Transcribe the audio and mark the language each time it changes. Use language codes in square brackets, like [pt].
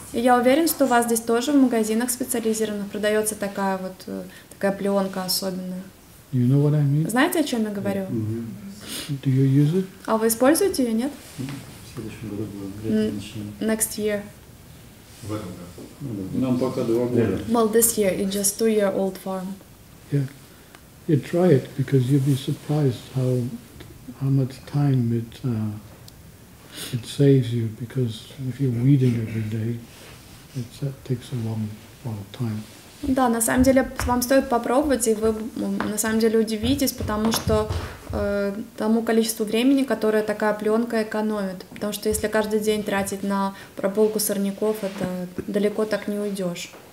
[ru] И я уверен, что у вас здесь тоже в магазинах специализированных продается такая вот такая пленка особенная. [en] You know what I mean? [ru] Знаете, о чем я говорю? Mm-hmm. [en] Do you use it? [ru] А вы используете ее, нет? В следующем году начнем. [en] Next year. [ru] В этом году. Нам пока 2 года. [en] Well, this year, it's just 2-year-old farm. Yeah. You try it, because you'd be surprised how much time it saves you, because if you're weeding every day, that takes a long time. [ru] Да, на самом деле вам стоит попробовать, и вы на самом деле удивитесь, потому что тому количеству времени, которое такая пленка экономит. Потому что если каждый день тратить на прополку сорняков, это далеко так не уйдешь.